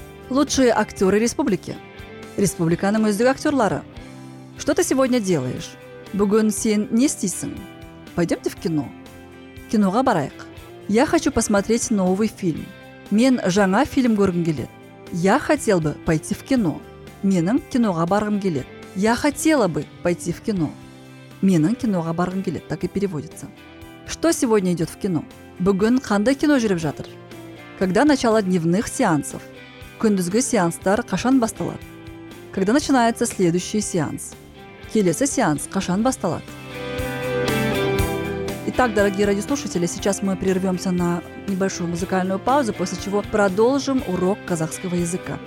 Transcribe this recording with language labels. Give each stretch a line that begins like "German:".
Russian: Лучшие актеры республики.
Kazakh: Республиканы мөздік актерлары.
Russian: Что ты сегодня делаешь?
Kazakh: Бүгін сен не істейсің?
Russian: Пойдемте в кино.
Kazakh: Киноға барайық.
Russian: Я хочу посмотреть новый фильм.
Kazakh: Мен жаңа фильм көргім келет.
Russian: Я хотел бы пойти в кино.
Kazakh: Менің киноға барғым келет.
Russian: Я хотела бы пойти в кино.
Kazakh: Менің киноға барғым келет.
Russian: Так и переводится. Что сегодня идет в кино?
Kazakh: Бүгін қандай кино жүріп жатыр?
Russian: Когда начало дневных сеансов?
Kazakh: Күндізгі сеанстар қашан басталады?
Russian: Когда начинается следующий сеанс?
Kazakh: Келесі сеанс қашан басталады?
Russian: Итак, дорогие радиослушатели, сейчас мы прервемся на небольшую музыкальную паузу, после чего продолжим урок казахского языка.